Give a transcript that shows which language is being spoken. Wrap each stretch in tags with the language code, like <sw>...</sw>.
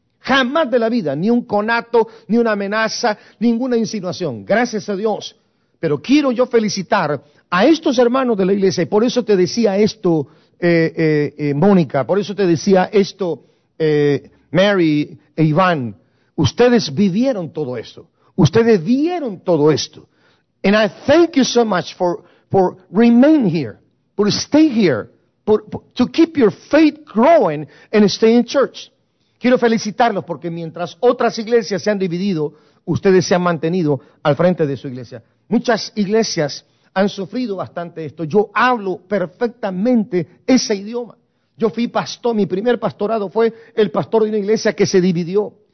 <es>Jamás de la vida, ni un conato, ni una amenaza, ninguna insinuación. Gracias a Dios. Pero quiero yo felicitar a estos hermanos de la iglesia. Y por eso te decía esto, Mónica. Por eso te decía esto, Mary e Iván. Ustedes vivieron todo esto. Ustedes vieron todo esto.</es> <en>And I thank you so much for remain here, for stay here, to keep your faith growing and stay in church.</en> <es>Quiero felicitarlos porque mientras otras iglesias se han dividido, ustedes se han mantenido al frente de su iglesia. Muchas iglesias han sufrido bastante esto. Yo hablo perfectamente ese idioma. Yo fui pastor, mi primer pastorado fue el pastor de una iglesia que se dividió.</es>